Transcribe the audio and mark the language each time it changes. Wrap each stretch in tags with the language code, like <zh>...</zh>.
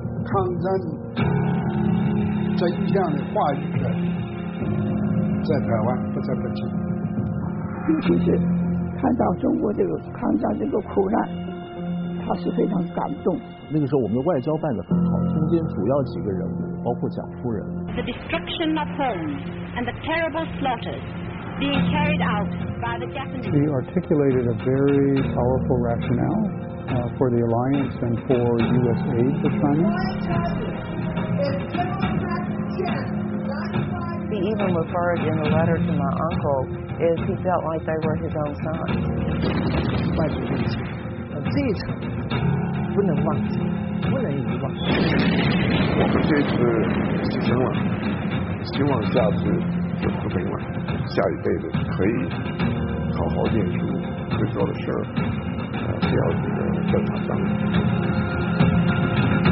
<zh>抗战这一样的话语的在台湾不在北京，尤其是看到中国这个抗战这个苦难，他是非常感动。那个时候我们的外交办得很好，中间主要几个人物包括蒋夫人。</zh> <en>The destruction of homes and the terrible slaughters being carried outShe articulated a very powerful rationale for the alliance and for U.S. aid to China. He even referred in the letter to my uncle as he felt like they were his own son.</en> <zh>这一场不能忘记，不能遗忘。我们这次牺牲了，希望下次就不行了，下一辈子可以好好念书，会做的事儿，不要这个战场上。</zh>